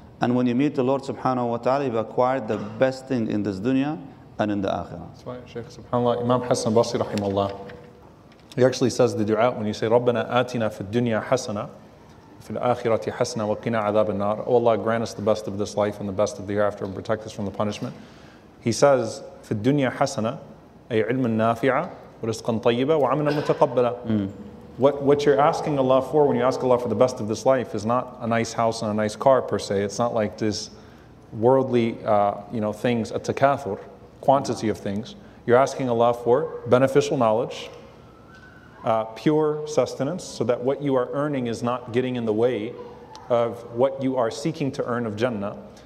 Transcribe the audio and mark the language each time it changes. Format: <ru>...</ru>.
<en>And when you meet the Lord subhanahu wa ta'ala, you've acquired the best thing in this dunya and in the akhirah. That's right, Shaykh, subhanAllah. Imam Hassan Basri, rahimahullah, he actually says the dua when you say,</en> <ar>رَبَّنَا آتِنَا فِي الدُّنْيَا حَسَنَا فِي الْآخِرَةِ حَسَنَا وَقِنَا عَذَابَ النَّارِ.</ar> <en>Oh Allah, grant us the best of this life and the best of the hereafter and protect us from the punishment. He says,</en> <ar>فِي الدُّنْيَا حَسَنَا أي عِلْمٌ نَافِعَ وَرِزْقًا طَيِّبًا وَعَمَنًا مُتَقَبَّلًا.</ar> <en>What you're asking Allah for when you ask Allah for the best of this life is not a nice house and a nice car per se. It's not like this worldly things, a takathur, quantity of things. You're asking Allah for beneficial knowledge, pure sustenance, so that what you are earning is not getting in the way of what you are seeking to earn of Jannah.</en>